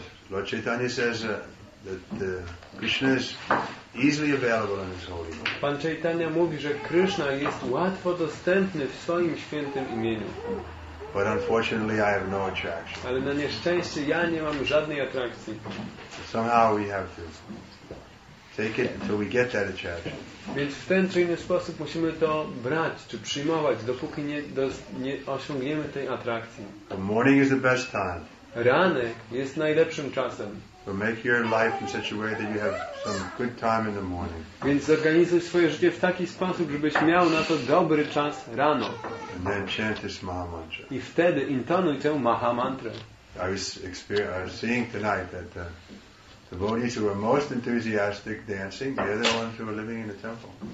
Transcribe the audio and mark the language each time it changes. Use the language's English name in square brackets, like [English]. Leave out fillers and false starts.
[English] Lord Chaitanya says that Krishna is easily available in his holy name. [Polish] Pan Chaitanya mówi, że Krishna jest łatwo dostępny w swoim świętym imieniu. [English] But unfortunately, I have no attraction. [Polish] Ale na nieszczęście ja nie mam żadnej atrakcji. [English] Somehow we have to take it until we get that attraction. [Polish] Więc w ten czy inny sposób musimy to brać czy przyjmować, dopóki nie osiągniemy tej atrakcji. [English] The morning is the best time. [Polish] Ranek jest najlepszym czasem. [English] So make your life in such a way that you have some good time in the morning. [Polish] Więc zorganizuj swoje życie w taki sposób, żebyś miał na to dobry czas rano. [English] And then chant this maha mantra. [Polish] I wtedy intonuj tę maha mantrę. [English] I was seeing tonight that the devotees who were most enthusiastic dancing, they're the ones who are living in the temple.